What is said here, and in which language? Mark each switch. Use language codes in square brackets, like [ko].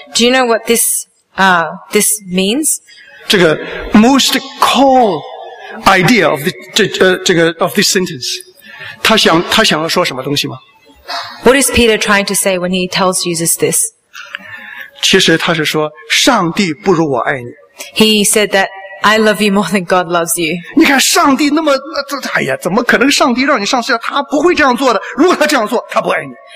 [en] ？Do you know what this means? [zh] 这个 [en] most core idea of this sentence， [zh] 他想要说什么东西吗 [en] ？What is Peter trying to say when he tells Jesus this？ [zh] 其实他是说，上帝不如我爱你。 [en] He said that I love you more than God loves you。 [zh] 你看，上帝那么这，哎呀，怎么可能？上帝让你上十字架，他不会这样做的。如果他这样做，他不爱你。